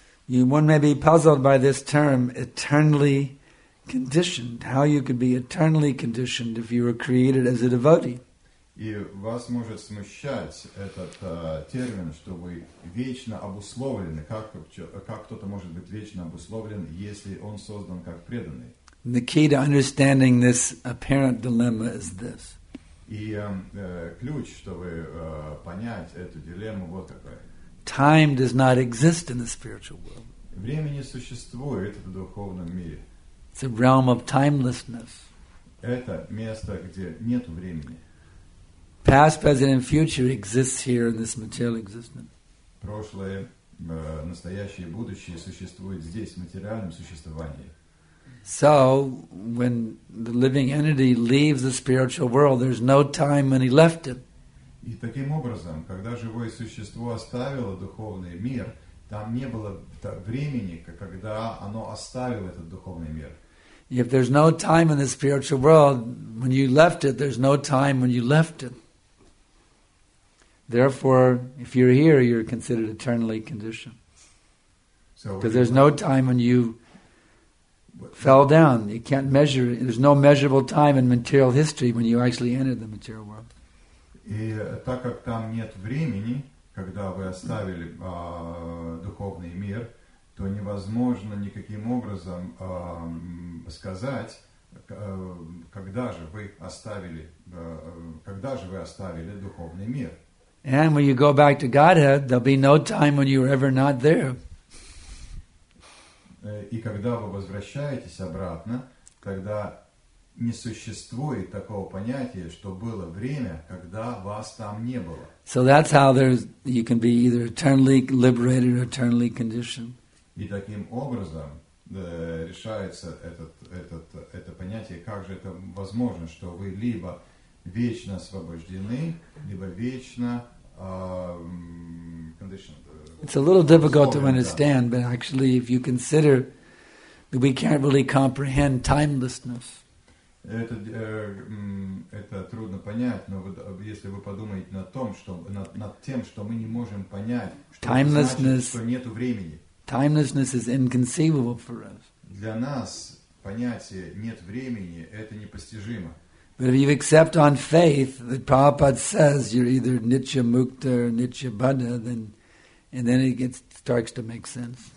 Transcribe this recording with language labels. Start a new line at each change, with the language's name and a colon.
English: One may be puzzled by this term, eternally conditioned. How you could be eternally conditioned if you were created as a devotee?
Russian: И вас может смущать этот термин, что вы вечно обусловлены. Как кто-то может быть вечно обусловлен, если он создан как преданный?
English: The key to understanding this apparent dilemma is this.
Russian: И ключ, чтобы понять эту дилемму, вот такой.
English: Time does not exist in the spiritual world.
Russian: Время не существует в духовном мире.
English: It's a realm of timelessness.
Russian: Это место, где нет времени.
English: Past, present, and future exists here in this material existence.
Russian: Прошлое, настоящее, будущее существует здесь, в материальном существовании.
English: So, when the living entity leaves the spiritual world, there's no time when he left it.
Russian: И таким образом, когда живое существо оставило духовный мир, там не было времени, когда оно оставило этот духовный мир.
English: If there's no time in the spiritual world, when you left it, there's no time when you left it. Therefore, if you're here, you're considered eternally conditioned. Because there's no time when you fell down. You can't measure. There's no measurable time in material history when you actually entered the material world.
Russian: И так как там нет времени, когда вы оставили духовный мир, то невозможно никаким образом сказать, когда же вы оставили духовный мир.
English: And when you go back to Godhead, there'll be no time when you're ever not there.
Russian: И когда вы возвращаетесь обратно, тогда не существует такого понятия, что было время, когда вас там не было.
English: So that's how you can be either eternally liberated or eternally conditioned.
Russian: И таким образом решается это понятие, как же это возможно, что вы либо вечно освобождены, либо вечно conditioned.
English: It's a little difficult to understand, but actually if you consider that we can't really comprehend timelessness.
Russian: Это трудно понять, но если вы подумаете над тем, что мы не можем понять, что нету времени.
English: Timelessness is inconceivable for us.
Russian: Для нас понятие «нет времени» — это непостижимо.
English: But if you accept on faith that Prabhupada says you're either Nitya Mukta or Nitya Buddha, then it starts to make sense.